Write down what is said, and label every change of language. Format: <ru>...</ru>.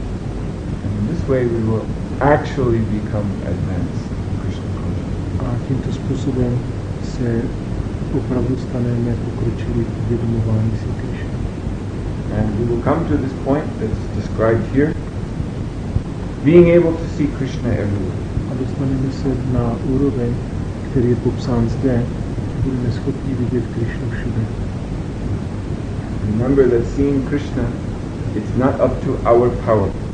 <en>And in this way we will actually become advanced in Krishna consciousness.</en> <cs>A tímto způsobem se opravdu staneme pokročili v vědomování si Krishna.</cs> <en>And we will come to this point that's described here, being able to see Krishna everywhere.</en> <cs>A dostaneme se na úroveň, který je popsán zde, budeme schopni vidět Krishnu všude.</cs> <en>Remember that seeing Krishna, it's not up to our power.</en>